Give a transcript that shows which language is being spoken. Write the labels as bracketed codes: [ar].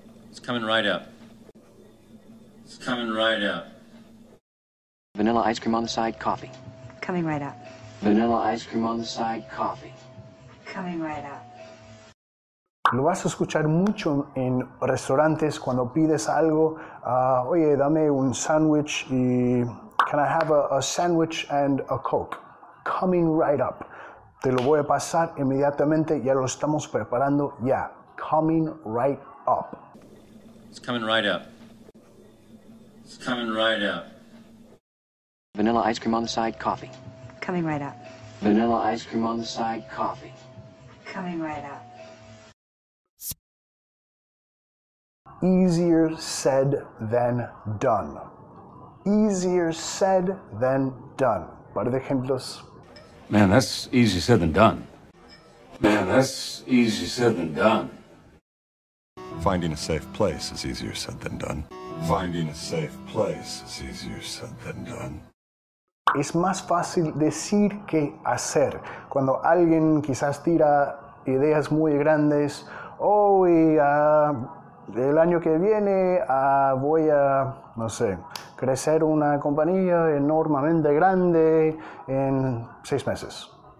[en] It's coming right up. It's coming right up. Vanilla ice cream on the side, coffee. Coming right up. Vanilla ice cream on the side, coffee. Coming right up. [es] Lo vas a escuchar mucho en restaurantes cuando pides algo. Oye, dame un sándwich y... [en] Can I have a sandwich and a Coke? Coming right up. [es] Te lo voy a pasar inmediatamente. Ya lo estamos preparando ya. [en] Coming right up. It's coming right up. It's coming right up. Vanilla ice cream on the side, coffee. Coming right up. Vanilla ice cream on the side, coffee. Coming right up. Easier said than done. Easier said than done. [es] Par de ejemplos. [en] Man, that's easier said than done. Man, that's easier said than done. Finding a safe place is easier said than done. Finding a safe place is easier said than done. [es] Es más fácil decir que hacer. Cuando alguien quizás tira ideas muy grandes, el año que viene voy a, no sé, crecer una compañía enormemente grande en 6 meses.